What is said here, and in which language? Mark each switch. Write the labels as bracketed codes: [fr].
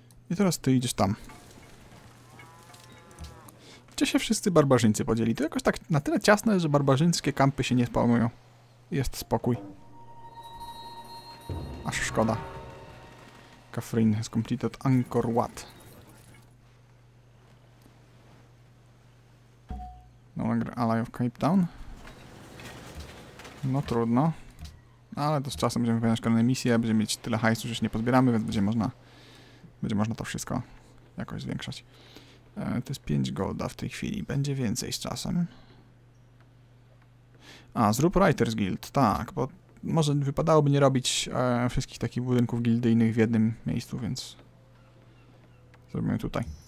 [pl] I teraz ty idziesz tam. Gdzie się wszyscy barbarzyńcy podzieli? To jakoś tak na tyle ciasne, że barbarzyńskie kampy się nie spawnują. Jest spokój. Aż szkoda. [en] Kafrin has completed Angkor Wat. No longer ally of Cape Town. [pl] No trudno. Ale to z czasem będziemy wypełniać kolejne misje, będziemy mieć tyle hajsu, że się nie pozbieramy, więc będzie można to wszystko jakoś zwiększać. To jest 5 golda w tej chwili. Będzie więcej z czasem. A, zrób Writers Guild. Tak, bo może wypadałoby nie robić wszystkich takich budynków gildyjnych w jednym miejscu, więc zrobimy tutaj.